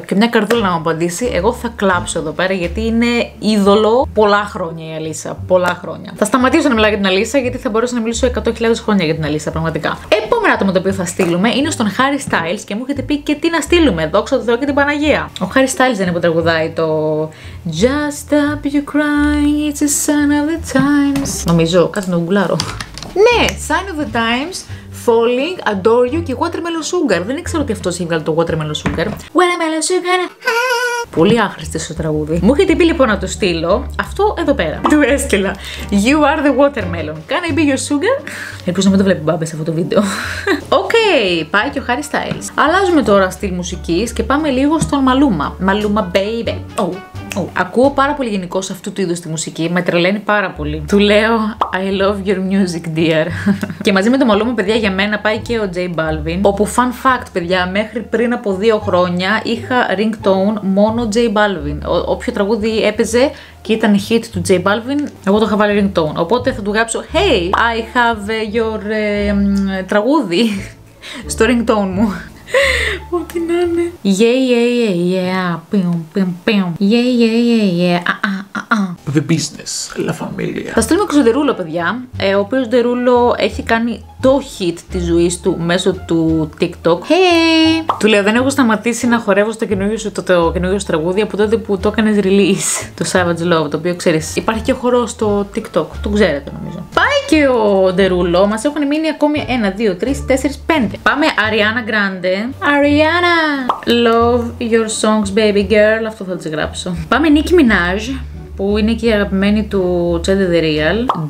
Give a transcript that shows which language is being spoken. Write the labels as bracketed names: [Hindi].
[Greek] Και μια καρδούλα να μου απαντήσει, εγώ θα κλάψω εδώ πέρα, γιατί είναι είδωλο πολλά χρόνια η Alyssa. Πολλά χρόνια. Θα σταματήσω να μιλάω για την Alyssa, γιατί θα μπορούσα να μιλήσω 100.000 χρόνια για την Alyssa, πραγματικά. Επόμενο άτομο το οποίο θα στείλουμε είναι στον Harry Styles και μου έχετε πει και τι να στείλουμε. Δόξα τω Θεώ και την Παναγία. Ο Harry Styles δεν είναι που τραγουδάει το [English] Just stop you crying, it's a sign of the times. [Greek] Νομίζω, κάτι να γκουλάρω. [English] Ναι, sign of the times. [Greek] Falling, Adore You και Watermelon Sugar. Δεν ήξερα ότι αυτός έβγαλε το Watermelon Sugar. Watermelon Sugar. Πολύ άχρηστο στο τραγούδι. Μου έχετε πει λοιπόν να το στείλω αυτό εδώ πέρα. Του έστειλα. [English] You are the watermelon. Can I be your sugar? [Greek] Ελπίζω να μην το βλέπει μπάμπε σε αυτό το βίντεο. Οκ, πάει και ο Harry Styles. Αλλάζουμε τώρα στυλ μουσικής και πάμε λίγο στον Maluma. Maluma baby. Oh. Oh. Ακούω πάρα πολύ γενικώ αυτού του είδου τη μουσική. Με τρελαίνει πάρα πολύ. Του λέω [English] I love your music, dear. [Greek] Και μαζί με το Maluma, παιδιά, για μένα πάει και ο J Balvin. Όπου, fun fact, παιδιά, μέχρι πριν από 2 χρόνια είχα ringtone μόνο J Balvin. Όποιο τραγούδι έπαιζε και ήταν hit του J Balvin, εγώ το είχα βάλει ringtone. Οπότε θα του γράψω [English] Hey, I have your [Greek] τραγούδι στο ringtone μου. Ό,τι να είναι. Yeah, yeah, yeah, yeah. Πιουμ, πιουμ, πιουμ. Yeah, yeah, yeah, yeah. [English] The business, la familia. [Greek] Θα στείλουμε και στο Ντερούλο, παιδιά. Ο οποίος Ντερούλο έχει κάνει το hit της ζωής του μέσω του TikTok. Hey! Του λέω, δεν έχω σταματήσει να χορεύω στο καινούργιο σου το καινούργιο σου τραγούδι από τότε που το έκανες release. Το Savage Love, το οποίο ξέρεις. Υπάρχει και χορό στο TikTok. Το ξέρετε, νομίζω. Πάει και ο Ντερούλο. Μας έχουν μείνει ακόμη 1, 2, 3, 4, 5. Πάμε, Ariana Grande. Ariana! [English] Love your songs, baby girl. [Greek] Αυτό θα τις γράψω. Πάμε, Nicki Minaj. Που είναι και η αγαπημένη του Chedi the Real.